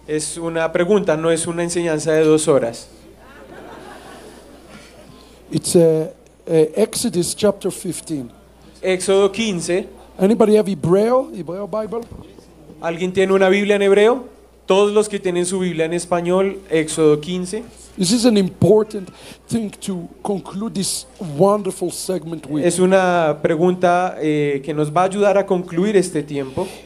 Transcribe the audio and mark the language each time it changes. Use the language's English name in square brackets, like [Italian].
[Spanish] Es una pregunta, no es una enseñanza de dos horas. [English] It's Exodus chapter 15. [Spanish] Éxodo 15. [English] Anybody have Hebrew Bible? [Spanish] ¿Alguien tiene una Biblia en hebreo? Todos los que tienen su Biblia en español, Éxodo 15. [English] This is an important thing to conclude this wonderful segment with. [Spanish] Es una pregunta que nos va a ayudar a concluir este tiempo.